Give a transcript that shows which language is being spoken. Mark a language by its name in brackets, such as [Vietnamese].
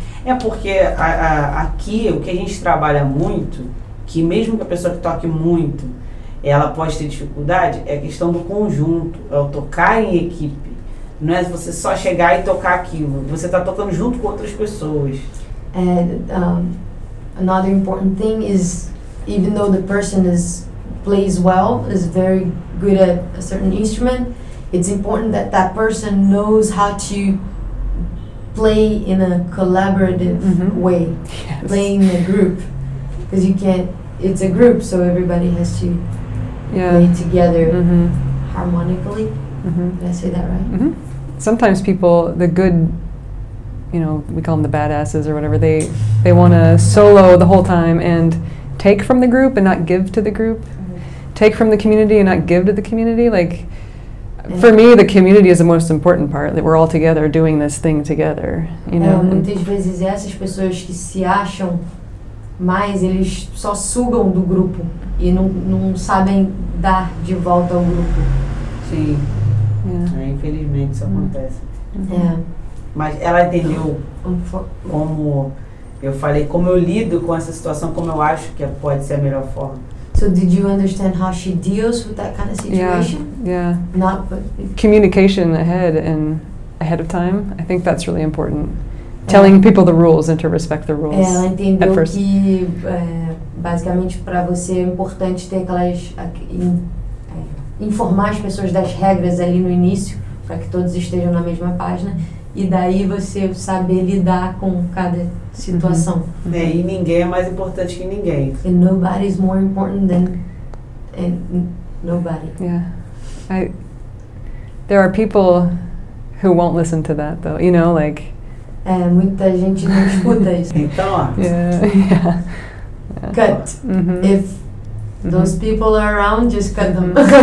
[Portuguese] É porque aqui o que a gente trabalha muito, que mesmo que a pessoa que toque muito, ela pode ter dificuldade, é a questão do conjunto, é o tocar em equipe. Não é você só chegar e tocar aquilo. Você está tocando junto com outras pessoas. [English] And another important thing is, even though the person is plays well, is very good at a certain instrument, it's important that that person knows how to play in a collaborative way, yes. Playing a group, because you can't, it's a group, so everybody has to play together harmonically. Mm-hmm. Did I say that right? Mm-hmm. Sometimes people, the good, you know, we call them the badasses or whatever, they want to solo the whole time and take from the group and not give to the group, take from the community and not give to the community. Like, for me, the community is the most important part, that we're all together doing this thing together, you know? [Portuguese] Muitas vezes essas pessoas que se acham mais, eles só sugam do grupo e não sabem dar de volta ao grupo. Sim. [English] Yeah. [Portuguese] Infelizmente isso acontece. [English] Yeah. [Portuguese] Mas ela entendeu como eu falei, como eu lido com essa situação, como eu acho que pode ser a melhor forma. [English] So did you understand how she deals with that kind of situation? Yeah. Not communication ahead and ahead of time. I think that's really important. Telling people the rules and to respect the rules. [Portuguese] Ela entendeu que basicamente para você é importante ter aquelas informar as pessoas das regras ali no início, para que todos estejam na mesma página, e daí você saber lidar com cada situação. Uhum. Uhum. E ninguém é mais importante que ninguém. [English] And nobody is more important than nobody. Yeah. There are people who won't listen to that, though. You know, like... [Portuguese] É, muita gente não escuta isso. Então, [English] yeah. Cut. Mm-hmm. If those people are around, just cut them.